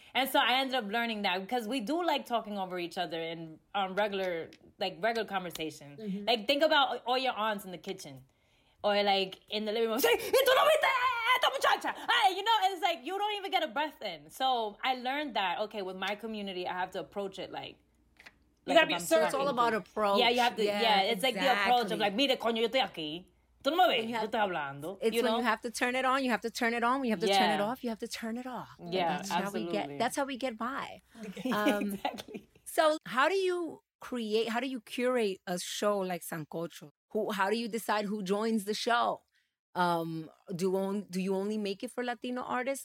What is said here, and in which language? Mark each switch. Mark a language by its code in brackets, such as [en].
[en] And so I ended up learning that, because we do like talking over each other in regular conversation. Mm-hmm. Like, think about all your aunts in the kitchen or, like, in the living room. [es] Sí, tú no viste esta muchacha. [en] Ay, you know, and it's like, you don't even get a breath in. So I learned that, okay, with my community, I have to approach it like, you gotta be sure. It's all about approach. Yeah, you have to. Yeah, it's exactly. Like the approach of like, [es] mire, coño, yo estoy aquí. Tú no me ves. Yo estoy hablando. [en] It's you know? When you have to turn it on. You have to turn it on. When you have to turn it off, you have to turn it off. Yeah, that's absolutely. That's how we get by. exactly. So, how do you create? How do you curate a show like Sancocho? How do you decide who joins the show? Do you only make it for Latino artists?